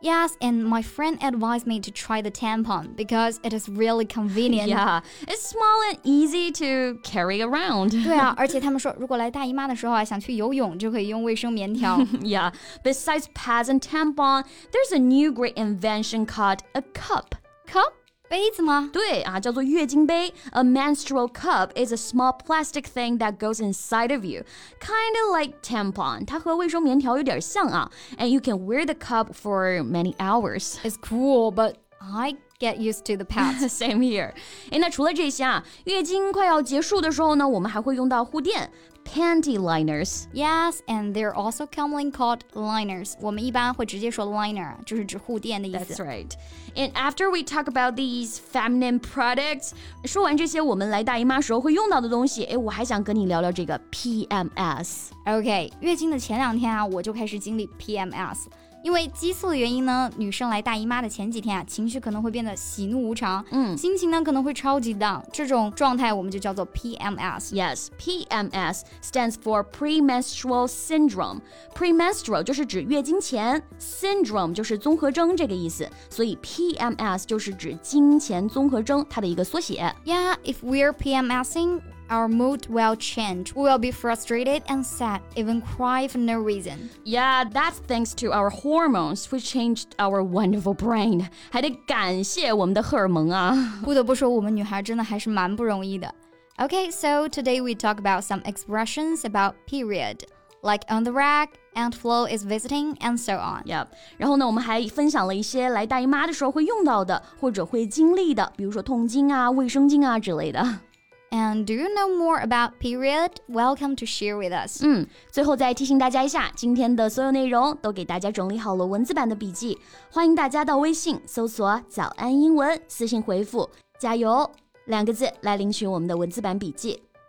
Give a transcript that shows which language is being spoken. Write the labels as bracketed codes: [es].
[en] Yes, and my friend advised me to try the tampon because it is really convenient. Yeah, it's small and easy to carry around. [zh] 对啊，而且他们说如果来大姨妈的时候想去游泳就可以用卫生棉条。 [en] Yeah, besides pads and tampon, there's a new great invention called a cup. [zh] Cup? 杯子吗？对啊，叫做月经杯。 [en] A menstrual cup is a small plastic thing that goes inside of you, kind of like tampon. [zh] 它和卫生棉条有点像啊。 [en] And you can wear the cup for many hours. It's cool, but I get used to the pads. Same here. [zh] 诶，那除了这些啊，月经快要结束的时候呢，我们还会用到护垫。 [en] Panty liners. Yes, and they're also commonly called liners. [zh] 我们一般会直接说 [en] liner, [zh] 就是指护垫的意思。 [en] That's right. And after we talk about these feminine products, [zh] 说完这些我们来大姨妈时候会用到的东西，诶，我还想跟你聊聊这个 PMS. Okay, 月经的前两天啊，我就开始经历 PMS. 因为激素的原因呢，女生来大姨妈的前几天啊，情绪可能会变得喜怒无常，嗯，心情呢可能会超级 down， 这种状态我们就叫做 PMS。 [en] Yes, PMS stands for premenstrual syndrome. [zh] Premenstrual 就是指月经前 ，syndrome 就是综合征这个意思，所以 PMS 就是指经前综合征，它的一个缩写。 [en] Yeah, if we're PMSing. Our mood will change. We will be frustrated and sad, even cry for no reason. Yeah, that's thanks to our hormones, which changed our wonderful brain. [zh] 还得感谢我们的荷尔蒙啊。不得不说，我们女孩真的还是蛮不容易的。 [en] Okay, so today we talk about some expressions about period, like on the rag, and Flo is visiting, and so on. Yep. [zh] 然后呢，我们还分享了一些来大姨妈的时候会用到的，或者会经历的，比如说痛经啊、卫生巾啊之类的。 [en] And do you know more about period? Welcome to share with us. [zh] 嗯，最后再提醒大家一下，今天的所有内容都给大家整理好了文字版的笔记，欢迎大家到微信搜索“早安英文”，私信回复“加油”两个字来领取我们的文字版笔记。